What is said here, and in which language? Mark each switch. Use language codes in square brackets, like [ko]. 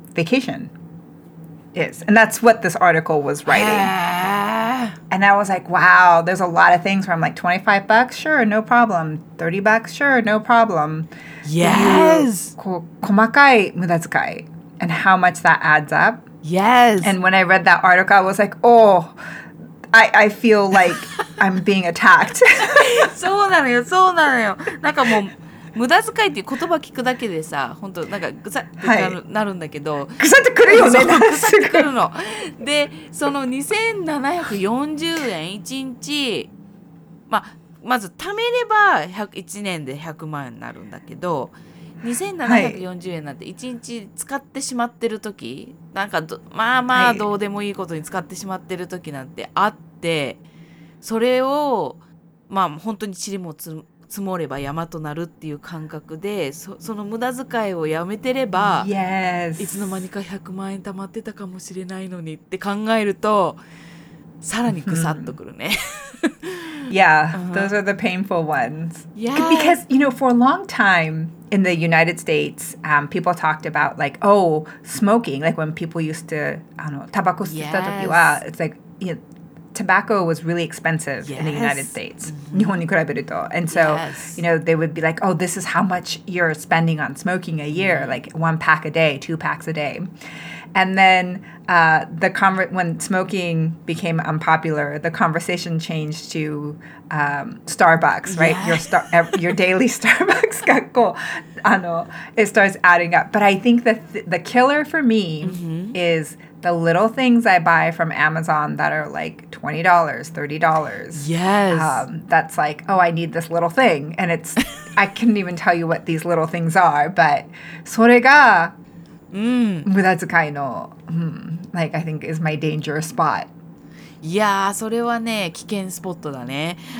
[en] vacation is and that's what this article was writing and I was like wow there's a lot of things where I'm like 25 bucks sure no problem 30 bucks sure no problem yes [ja] こう細かい無駄遣い [en] and how much that adds up yes and when I read that article I was like oh I feel like I'm being attacked [ja] そうなのよそうなのよなんかもう無駄遣いっていう言葉聞くだけでさ、本当なんかぐさってなるんだけど、ぐさってくるよね。ぐさってくるの。で、その2740円1日、まず貯めれば1年で100万円になるんだけど、2740円なんて1日使ってしまってる時、はい、なんかまあまあどうでもいいことに使ってしまってる時なんてあって、それを、まあ本当に塵も積もれば山となるっていう感覚で その無駄遣いをやめてれば、 [en] yes. [ja] いつの間にか100万円貯まってたかもしれないのにって考えるとさらにぐさっとくるね。 [en] Yeah, those are the painful ones. Yeah. Because, you know, for a long time in the United States, people talked about like, oh, smoking, like when people used to, [ja] tabako sutta toki wa, [en] it's like, you know,tobacco was really expensive in the United States, [ja] 日本に比べると。 [en] And so, you know, they would be like, oh, this is how much you're spending on smoking a year, like one pack a day, two packs a day. And then when smoking became unpopular, the conversation changed to Starbucks, right? Your daily Starbucks [ja] がこう、 [en] it starts adding up. But I think that the killer for me is... The little things I buy from Amazon that are like $20, $30. Yes. That's like, oh, I need this little thing. And it's, I can't even tell you what these little things are, but [ja] それが無駄遣いの、 [en] like, I think is my danger spot. [ja] いやー、それはね、危険スポットだね。